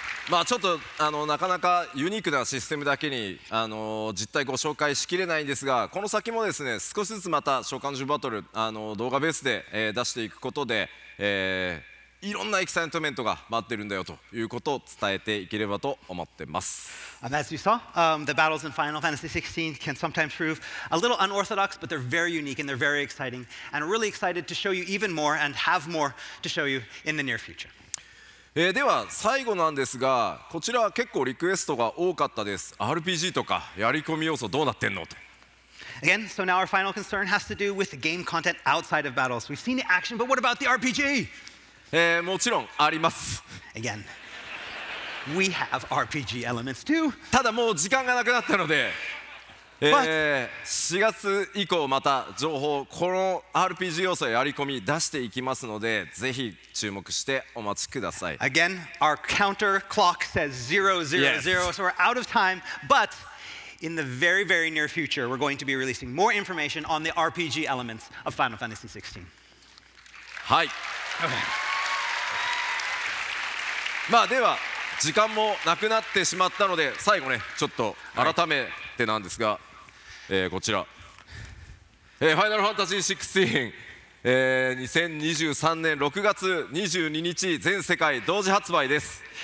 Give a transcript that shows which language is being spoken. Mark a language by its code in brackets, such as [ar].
[ja] まあちょっとなかなかユニークなシステムだけに実態ご紹介しきれないんですが、この先もですね、少しずつまた召喚獣バトル動画ベースで、出していくことで、いろんなエキサイトメントが待ってるんだよということを伝えていければと思ってます。 [en] As you saw, the battles in Final Fantasy XVI can sometimes prove a little unorthodox, but they're very unique and they're very exciting. And I'm really excited to show you even more and have more to show you in the near future. [ja] では最後なんですが、こちらは結構リクエストが多かったです。 RPG とかやり込み要素どうなってんのと。 [en] Again, so now our final concern has to do with the game content outside of battles. We've seen the action, but what about the RPG? [ja] もちろんあります。 [en] Again, we have RPG elements too. [ja] ただもう時間がなくなったので、4月以降また情報、この RPG 要素やり込み出していきますので、ぜひ注目してお待ちください。 [en] Again, our counter clock says 000, so we're out of time, but in the very, very near future, we're going to be releasing more information on the RPG elements of Final Fantasy XVI. はい。 [ja] まあ、では時間もなくなってしまったので最後ね、ちょっと改めてなんですが、こちらファイナルファンタジー16、2023年6月22日全世界同時発売です。